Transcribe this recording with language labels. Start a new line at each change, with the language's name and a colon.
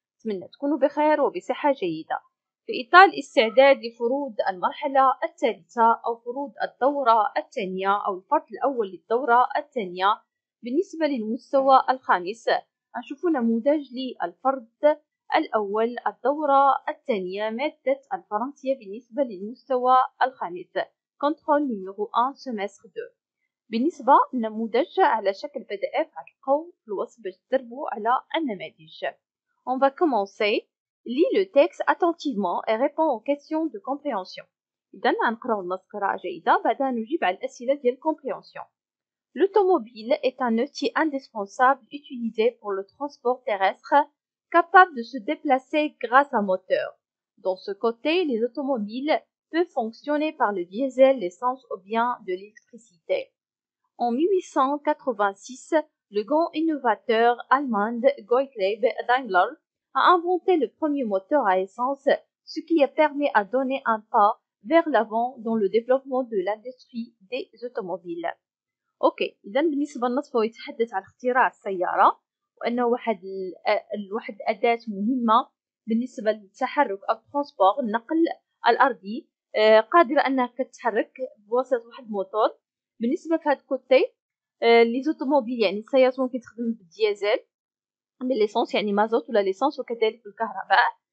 Arabic: أتمنى تكونوا بخير وبصحة جيدة. في إطار الاستعداد لفروض المرحلة الثالثة أو فروض الدورة الثانية أو الفرد الأول للدورة الثانية بالنسبة للمستوى الخامس، أشوف نموذج للفرد الأول الدورة الثانية مادة الفرنسية بالنسبة للمستوى الخامس
French: كونترول نيميرو 1 سيمستر 2.
Arabic: بالنسبة للنموذج على شكل PDF علقوا الوصف تدربوا على النماذج.
French: On va commencer. Lis le texte attentivement et réponds aux questions de compréhension.
Arabic: إذن نقرأ النص قراءة جيدة بعد أن نجيب على الأسئلة ديال الكومبريهنسيون.
French: L'automobile est un outil indispensable utilisé pour le transport terrestre capable de se déplacer grâce à un moteur. Dans ce côté, les automobiles peuvent fonctionner par le diesel, l'essence ou bien de l'électricité. En 1886, le grand innovateur allemand Gottlieb Daimler a inventé le premier moteur à essence, ce qui a permis à donner un pas vers l'avant dans le développement de l'industrie des automobiles.
Arabic: OK, إذن بالنسبة للنص فهو يتحدث على اختراع السيارة وأنه واحد أداة مهمة بالنسبة للتحرك أو ترونسبور النقل الأرضي قادرة أنها تتحرك بواسطة واحد الموتور. بالنسبة لهاد الكوتي لي زوتوموبيل يعني السيارات ممكن تخدم بالديازل بالليسونس يعني مازوت ولا ليسونس وكذلك بالكهرباء.